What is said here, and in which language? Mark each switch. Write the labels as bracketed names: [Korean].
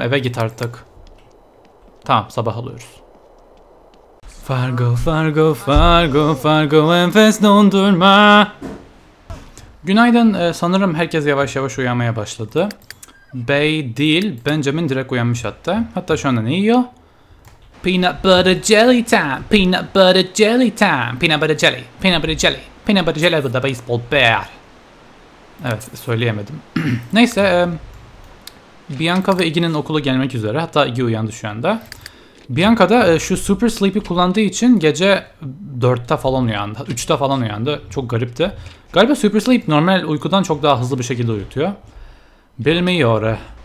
[Turkish] Eve git artık. Tamam, sabah alıyoruz. Fargo, Fargo, Fargo, Fargo, enfes dondurma. Günaydın. Sanırım herkes yavaş yavaş uyanmaya başladı. Bey değil, Benjamin direkt uyanmış hatta. Hatta şu anda ne yiyor? [English] Peanut butter jelly time. Peanut butter jelly time. Peanut butter jelly. Peanut butter jelly. Peanut butter jelly with a baseball bat. [Turkish] Evet, söyleyemedim. Neyse. Bianca ve Iggy'nin okula gelmek üzere. Hatta Iggy uyandı şu anda. Bianca da şu Super Sleep'i kullandığı için gece 4'te falan uyandı. 3'te falan uyandı. Çok garipti. Galiba Super Sleep normal uykudan çok daha hızlı bir şekilde uyutuyor. Bilmiyor.